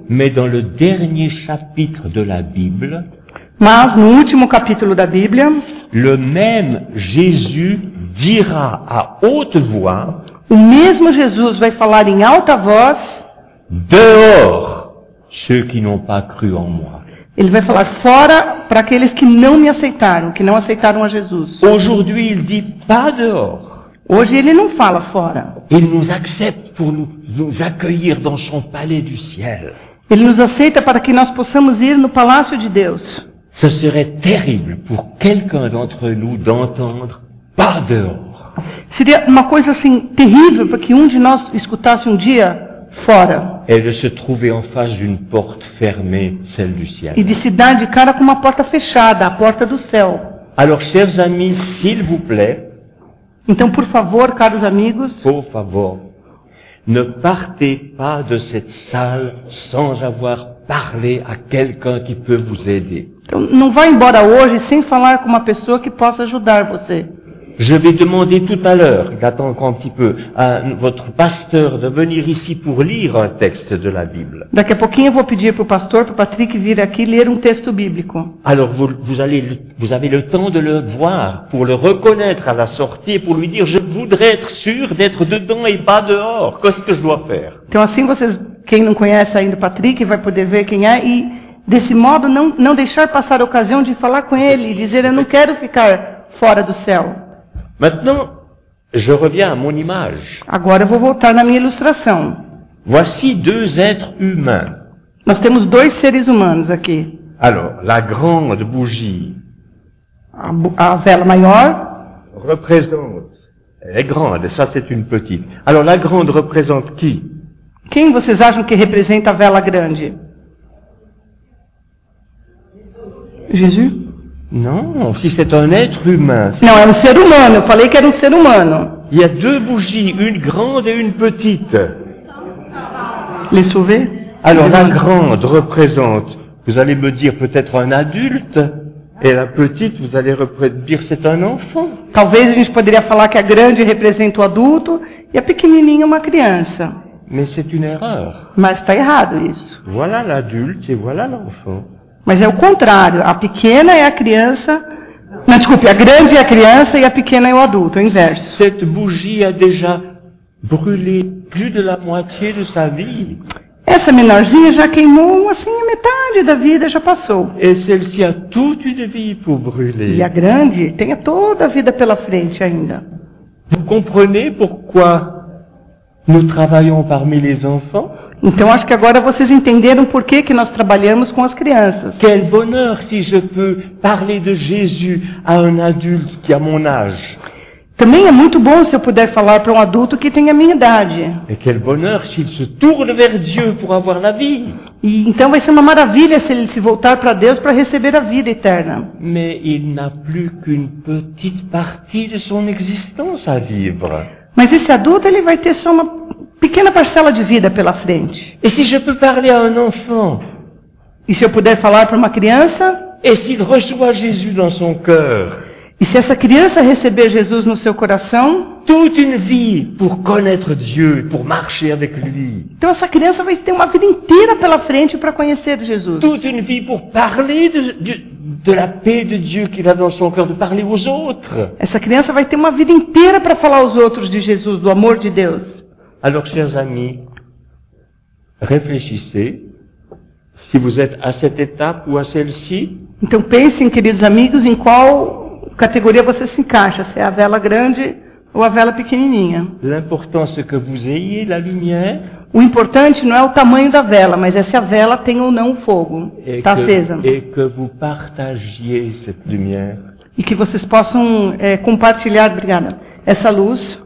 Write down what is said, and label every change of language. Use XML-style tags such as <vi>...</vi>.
<fr>Mais dans le dernier chapitre de la Bible,</fr> <pt>mas no último capítulo da Bíblia,</pt> <fr>le même Jésus dira à haute voix,</fr> <pt>o mesmo Jesus vai falar em alta voz,</pt> <fr>dehors ceux qui n'ont pas cru en moi.</fr> <pt>Ele vai falar fora para aqueles que não me aceitaram, que não aceitaram a Jesus.</pt> <fr>Aujourd'hui, il dit pas dehors.</fr> <pt>Hoje ele não fala fora.</pt> <fr>Il nous accepte pour nous accueillir dans son palais du ciel.</fr> <pt>Ele nous aceita para que nós possamos ir no palácio de Deus.</pt> <fr>Ce serait terrible pour quelqu'un d'entre nous d'entendre pas dehors.</fr> <pt>Seria uma coisa assim terrível para que um de nós escutasse um dia fora.</pt> <fr>Et de se trouver en face d'une porte fermée, celle du ciel.</fr> <pt>E de se dar de cara com uma porta fechada, a porta do céu.</pt> <fr>Alors, chers amis, s'il vous plaît.</fr> <pt>Então, por favor, caros amigos. Por favor,</pt> <fr>ne partez pas de cette salle sans avoir parlé à quelqu'un qui peut vous aider.</fr> <pt>Então, não vá embora hoje sem falar com uma pessoa que possa ajudar você.</pt> <fr>Je vais demander tout à l'heure, j'attends encore un petit peu, à votre pasteur de venir ici pour lire un texte de la Bible.</fr> <pt>Daqui a pouquinho eu vou pedir pro pastor, pro Patrick vir aqui ler um texto bíblico.</pt> <fr>Alors vous avez le temps de le voir pour le reconnaître à la sortie pour lui dire je voudrais être sûr d'être dedans et pas dehors. Qu'est-ce que je dois faire?</fr> <pt>Então assim vocês, quem não conhece ainda o Patrick vai poder ver quem é e desse modo não deixar passar a ocasião de falar com ele e dizer eu não quero ficar fora do céu.</pt> <fr>Maintenant, je reviens à mon image.</fr> <pt>Agora eu vou voltar na minha ilustração.</pt> <fr>Voici deux êtres humains.</fr> <pt>Nós temos dois seres humanos aqui.</pt> <fr>Alors, la grande bougie.</fr> <pt>A vela maior.</pt> <fr>Représente. Elle est grande, ça c'est une petite. Alors, la grande représente qui?</fr> <pt>Quem vocês acham que representa a vela grande?</pt> <fr>Jésus? Non, si c'est un être humain.</fr> <pt>Não, é um ser humano. Eu falei que era um ser humano.</pt> <fr>Il y a deux bougies, une grande et une petite. Les sauver? Alors la grande représente Vous allez me dire peut-être un adulte, et la petite, vous allez dire c'est un enfant.</fr> <pt>Talvez a gente poderia falar que a grande representa o adulto e a pequenininha uma criança.</pt> <fr>Mais c'est une erreur.</fr> <pt>Mas está errado isso.</pt> <fr>Voilà l'adulte et voilà l'enfant.</fr> <pt>Mas é o contrário, a pequena é a criança. Não, desculpe, a grande é a criança e a pequena é o adulto, é o inverso.</pt> <fr>Cette bougie a déjà brûlé plus de la moitié de sa vie.</fr> <pt>Essa menorzinha já queimou assim a metade da vida, já passou.</pt> <fr>Et celle-ci a toute une vie pour brûler.</fr> <pt>E a grande tem toda a vida pela frente ainda.</pt> <fr>Vous comprenez pourquoi nous travaillons parmi les enfants?</fr> <pt>Então acho que agora vocês entenderam por que que nós trabalhamos com as crianças.</pt> <fr>Quel bonheur si je peux parler de Jésus à un adulte qui a mon âge.</fr> <pt>Também é muito bom se eu puder falar para um adulto que tem a minha idade.</pt> <fr>Et quel bonheur s'il se tourne vers Dieu pour avoir la vie.</fr> <pt>E então vai ser uma maravilha se ele se voltar para Deus para receber a vida eterna.</pt> <fr>Mais il n'a plus qu'une petite partie de son existence à vivre.</fr> <pt>Mas esse adulto ele vai ter só uma pequena parcela de vida pela frente.</pt> <fr>Et si je peux parler à un enfant?</fr> <pt>E se eu puder falar para uma criança?</pt> <fr>Et s'il reçoit Jésus dans son cœur?</fr> <pt>E se essa criança receber Jesus no seu coração?</pt> <fr>Toute une vie pour connaître Dieu, pour marcher avec lui.</fr> <pt>Então essa criança vai ter uma vida inteira pela frente para conhecer Jesus.</pt> <fr>Toute une vie pour parler de la paix de Dieu qu'il a dans son cœur, de parler aux autres.</fr> <pt>Essa criança vai ter uma vida inteira para falar aos outros de Jesus, do amor de Deus.</pt> <fr>Alors, chers amis, réfléchissez si vous êtes à cette étape ou à celle-ci.</fr> <pt>Então pensem, queridos amigos, em qual categoria você se encaixa, se é a vela grande ou a vela pequenininha.</pt> <fr>L'important c'est que vous ayez la lumière.</fr> <pt>O importante não é o tamanho da vela, mas é se a vela tem ou não fogo, está acesa.</pt> <fr>Et que vous partagiez cette lumière.</fr> <pt>E que vocês possam compartilhar, obrigada, essa luz.</pt>